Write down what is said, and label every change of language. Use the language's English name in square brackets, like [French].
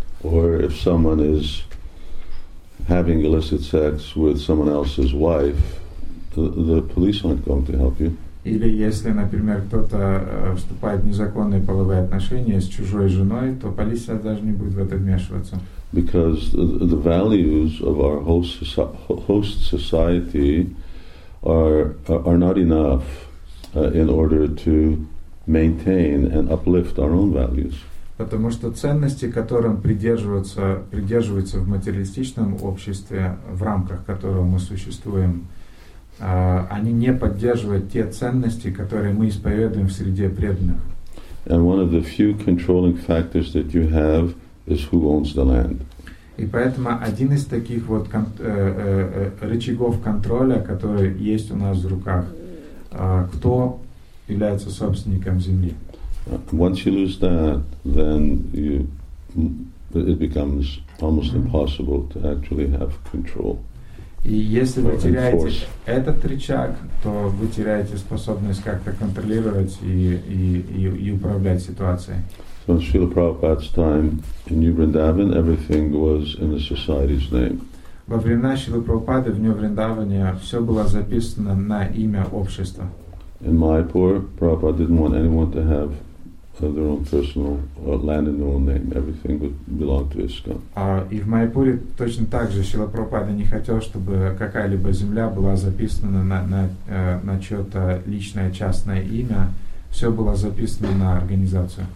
[English] Or if someone is having illicit sex with someone else's wife, the police aren't going to help you. [Russian] Или если, например, кто-то вступает в незаконные половые отношения с чужой женой, то полиция даже не будет в это вмешиваться. [English] Because the values of our host society are not enough in order to maintain and uplift our own values. [Russian] Потому что ценности, которым придерживаются в материалистичном обществе, в рамках которого мы существуем, они не поддерживают те ценности, которые мы исповедуем в среде преданных. [English] And one of the few controlling factors that you have is who owns the land. [Russian] И поэтому один из таких вот рычагов контроля, который есть у нас в руках, кто является собственником земли. [English] Once you lose that, then it becomes almost impossible to actually have control. [Russian] И если вы теряете этот рычаг, то вы теряете способность как-то контролировать и управлять ситуацией. [English] So from Srila Prabhupada's time in New Vrindavan, everything was in the society's name. [Russian] Во времена Шрилы Прабхупады в Нью-Вриндаване все было записано на имя общества. [English] In Mayapur, Prabhupada didn't want anyone to have their own personal land in their own name. Everything would belong to ISKCON. [Russian] И в Майпуре точно так же Шрила Прабхупада не хотел, чтобы какая-либо земля была записана на чье-то личное частное имя. Все было записано на организацию.